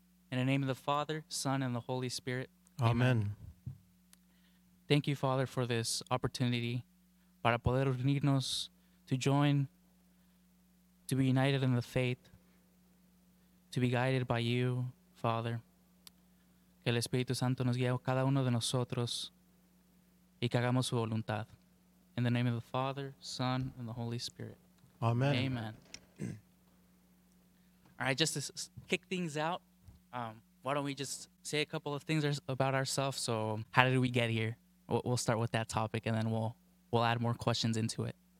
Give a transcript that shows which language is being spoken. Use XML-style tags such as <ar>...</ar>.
<en>In the name of the Father, Son, and the Holy Spirit. Amen. Thank you, Father, for this opportunity</en> <es>para poder unirnos,</es> <en>to join, to be united in the faith, to be guided by you, Father.</en> <es>Que el Espíritu Santo nos guíe a cada uno de nosotros y que hagamos su voluntad.</es> <en>In the name of the Father, Son, and the Holy Spirit. Amen. Amen. All right, just to kick things out, why don't we just say a couple of things about ourselves? So how did we get here? We'll start with that topic, and then we'll add more questions into it.</en>